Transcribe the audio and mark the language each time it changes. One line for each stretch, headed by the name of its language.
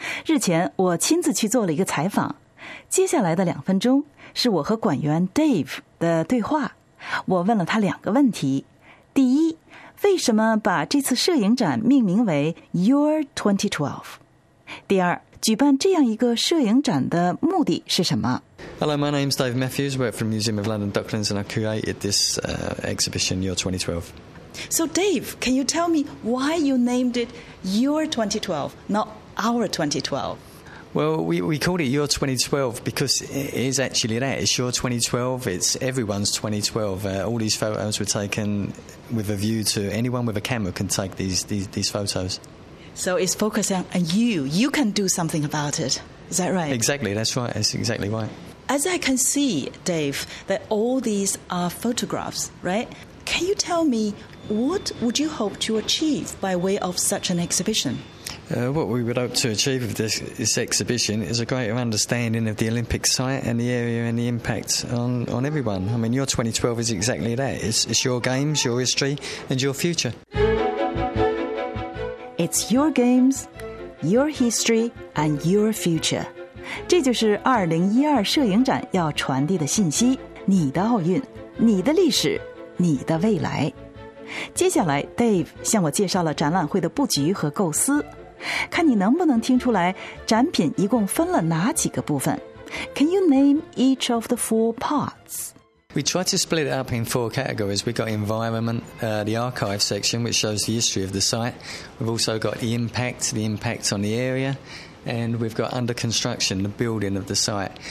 Chinese: 日前我亲自去做了一个采访，接下来的两分钟是我和馆员 Dave 的对话。我问了他两个问题。第一，为什么把这次摄影展命名为 Your 2012？第二，举办这样一个摄影展的目的是什么？
English: Hello, my name's Dave Matthews. I work for the Museum of London Docklands and I created this exhibition, Your 2012. So, Dave, can you tell me why you named it Your 2012, not Our 2012? Well, we called it Your 2012 because it is actually that. It's Your 2012, it's everyone's 2012.、All these photos were taken with a view to anyone with a camera can take these photos. So it's focusing on you. You can do something about it. Is that right? Exactly, that's right. That's exactly right. As I can see, Dave, that all these are photographs, right? Can you tell me what would you hope to achieve by way of such an exhibition? What we would hope to achieve with this exhibition is a greater understanding of the Olympic site and the area and the impact on everyone. I mean, your 2012 is exactly that. It's your games, your history, and your future. It's your games, your history, and your future.
Chinese: 这就是2012摄影展要传递的信息，你的奥运，你的历史，你的未来。接下来 Dave 向我介绍了展览会的布局和构思，看你能不能听出来展品一共分了哪几个部分。
English: Can you name each of the four parts? We tried to split it up in four categories. We've got environment,the archive section, which shows the history of the site. We've also got the impact on the area. And we've got under construction, the building of the site.